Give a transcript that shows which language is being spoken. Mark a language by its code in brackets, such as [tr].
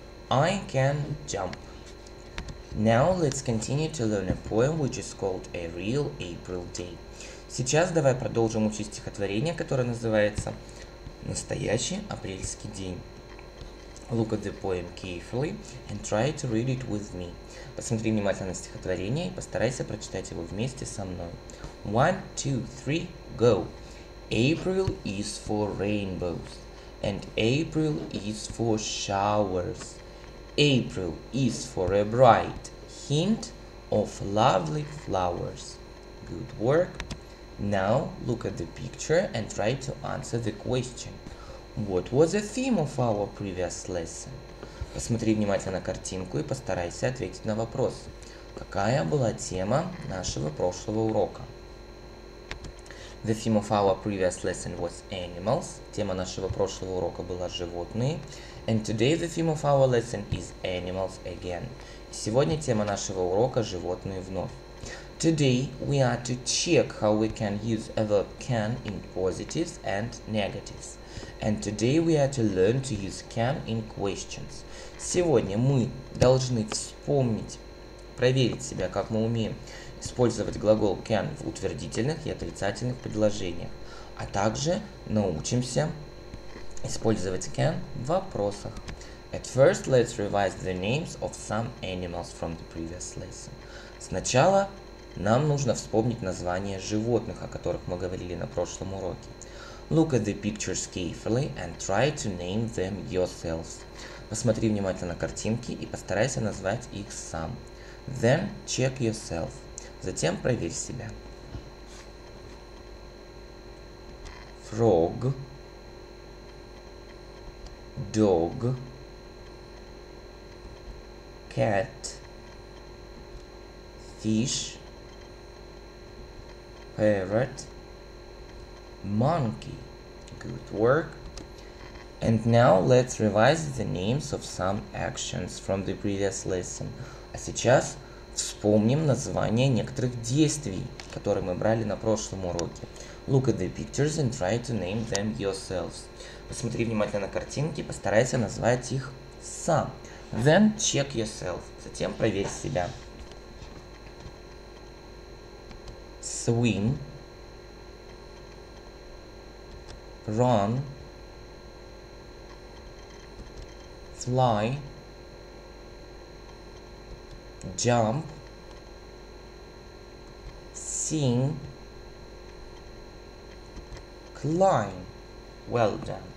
[en] I can jump. Now let's continue to learn a poem which is called A Real April Day. [ru] Сейчас давай продолжим учить стихотворение, которое называется «Настоящий апрельский день». [en] Look at the poem carefully and try to read it with me. [ru] Посмотри внимательно на стихотворение и постарайся прочитать его вместе со мной. [en] 1, 2, 3, go! April is for rainbows, and April is for showers. April is for a bright hint of lovely flowers. Good work! Now look at the picture and try to answer the question. What was the theme of our previous lesson? [ru] Посмотри внимательно на картинку и постарайся ответить на вопрос. Какая была тема нашего прошлого урока? [en] The theme of our previous lesson was animals. [ru] Тема нашего прошлого урока была животные. [en] And today the theme of our lesson is animals again. [ru] Сегодня тема нашего урока – животные вновь. [en] Today we are to check how we can use a verb can in positives and negatives. And today we are to learn to use can in questions. [ru] Сегодня мы должны вспомнить, проверить себя, как мы умеем использовать глагол can в утвердительных и отрицательных предложениях. А также научимся использовать can в вопросах. [en] At first, let's revise the names of some animals from the previous lesson. [ru] Сначала нам нужно вспомнить названия животных, о которых мы говорили на прошлом уроке. [en] Look at the pictures carefully and try to name them yourselves. [ru] Посмотри внимательно на картинки и постарайся назвать их сам. [en] Then check yourself. [ru] Затем проверь себя. [en] Frog. Dog. Cat. Fish. Parrot. Monkey. Good work. And now let's revise the names of some actions from the previous lesson. [ru] А сейчас вспомним названия некоторых действий, которые мы брали на прошлом уроке. [en] Look at the pictures and try to name them yourselves. [ru] Посмотри внимательно на картинки, постарайся назвать их сам. [en] Then check yourself. [ru] Затем проверь себя. [en] Swim. Run, fly, jump, sing, climb. Well done.